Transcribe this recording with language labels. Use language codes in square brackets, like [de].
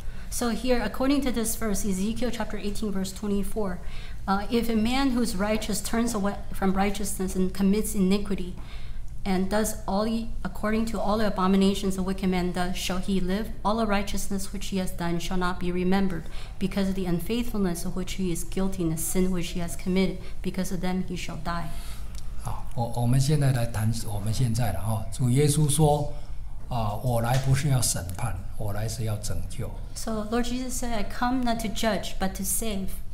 [en] So here, according to this verse, Ezekiel chapter 18, verse 24, if a man who's righteous turns away from righteousness and commits iniquity and does all he, according to all the abominations a wicked man does, shall he live? All the righteousness which he has done shall not be remembered because of the unfaithfulness of which he is guilty and the sin which he has committed. Because of them, he shall die. [zh] 我们现在来谈我们现在的主耶稣说 我来不是要审判，我来是要拯救。 [en] So Lord Jesus said, I come not to judge, but to save.